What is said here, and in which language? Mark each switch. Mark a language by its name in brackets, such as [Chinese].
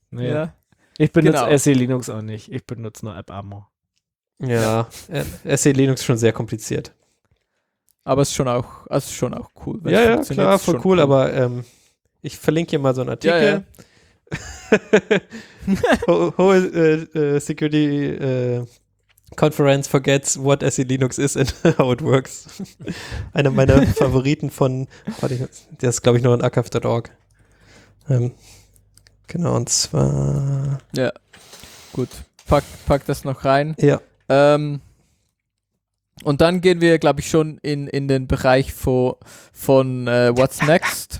[German] Nee. Ja. Ich benutze genau. SE Linux auch nicht. Ich benutze nur AppArmor. Ja, SE Linux ist schon sehr kompliziert. Aber es ist schon auch, also schon auch cool. Ja, ja, klar, voll cool, cool. Aber ich verlinke hier mal so einen Artikel. Ja, ja. [English] Hohe Security Conference forgets what SE Linux is and how it works. [German] Einer meiner Favoriten von, warte, der ist glaube ich noch in archive.org. Genau, und zwar. Ja, gut. Pack das noch rein. Ja. Und dann gehen wir, glaube ich, schon in den Bereich von What's Next.